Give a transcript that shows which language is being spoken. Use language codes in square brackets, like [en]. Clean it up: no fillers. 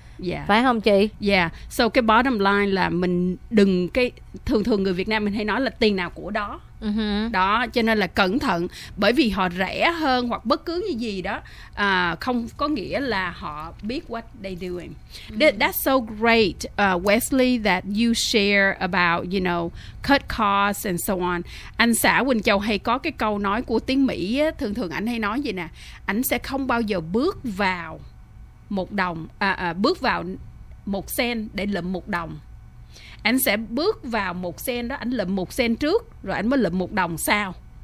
[vi] Yeah. Phải không chị? Yeah. So cái bottom line là mình đừng cái, thường thường người Việt Nam mình hay nói là tiền nào của đó. Đó, cho nên là cẩn thận, bởi vì họ rẻ hơn hoặc bất cứ như gì đó, không có nghĩa là họ biết [en] what they doing. That's so great, Wesley, that you share about, you know, cut costs and so on. [vi] Anh xã Quỳnh Châu hay có cái câu nói của tiếng Mỹ á, thường thường anh hay nói vậy nè, anh sẽ không bao giờ bước vào một đồng, bước vào một sen để lượm một đồng. Anh sẽ bước vào một sen đó, anh lượm một sen trước rồi anh mới lượm một đồng sau.